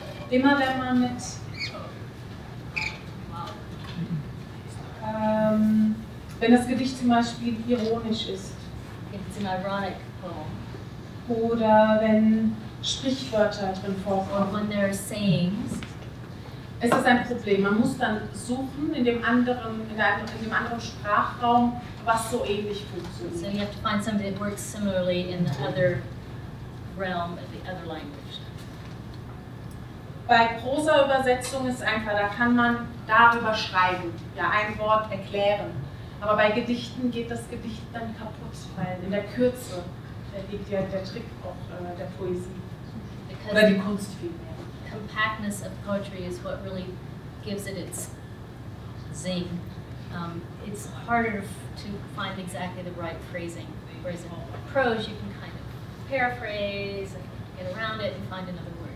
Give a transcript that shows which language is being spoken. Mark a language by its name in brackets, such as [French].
[German] Immer wenn man mit wenn das Gedicht zum Beispiel ironisch ist. [English] If it's an ironic poem. [German] Oder wenn Sprichwörter drin vorkommen. [English] When there are sayings. [German] Es ist ein Problem. Man muss dann suchen in dem anderen Sprachraum, was so ähnlich funktioniert. [English] So you have to find something that works similarly in the other realm of the other language. [German] Bei großer Übersetzung ist es einfach, da kann man darüber schreiben, ja, ein Wort erklären. Aber bei Gedichten geht das Gedicht dann kaputt, weil in der Kürze liegt ja der Trick auch der Poesie. [English] Because [German] oder die Kunst vielmehr. [English] Compactness of poetry is what really gives it its zing. It's harder to find exactly the right phrasing. Whereas in prose you can kind of paraphrase and get around it and find another.